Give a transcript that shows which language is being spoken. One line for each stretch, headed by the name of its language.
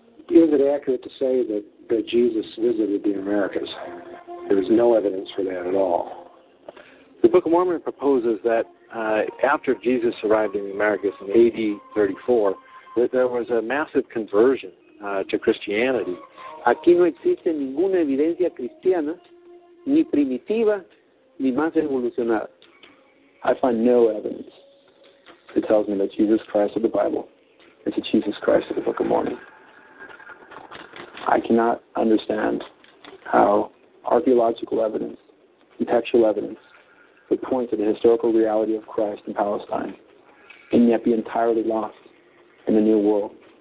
English: Is it accurate to say that Jesus visited the Americas? There is no evidence for that at all. The Book of Mormon proposes that after Jesus arrived in the Americas in AD 34, that there was a massive conversion to Christianity.
Spanish: Aquí no existe ninguna evidencia cristiana, ni primitiva, ni más evolucionada.
English: I find no evidence that tells me that Jesus Christ of the Bible is a Jesus Christ of the Book of Mormon. I cannot understand how archaeological evidence and textual evidence would point to the historical reality of Christ in Palestine and yet be entirely lost in the New World.